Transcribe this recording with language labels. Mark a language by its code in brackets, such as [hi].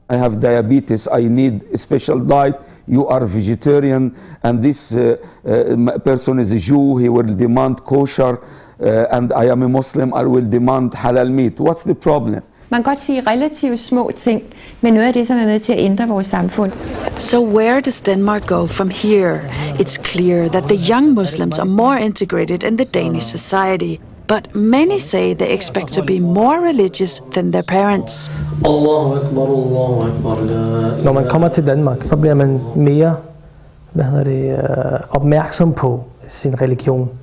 [en] I have diabetes. I need a special diet. you are vegetarian, and this person is a Jew, he will demand kosher, and I am a Muslim, I will demand halal meat. What's the problem? [da] Man kan godt sige relativt små ting, men noget af det, som er med til at ændre vores samfund. [en] So where does Denmark go from here? It's clear that the young Muslims are more integrated in the Danish society. But many say they expect to be more religious than their parents. [ar] Allahu Akbar, Allahu Akbar. [da] Når man kommer til Danmark, så bliver man mere opmærksom på sin religion.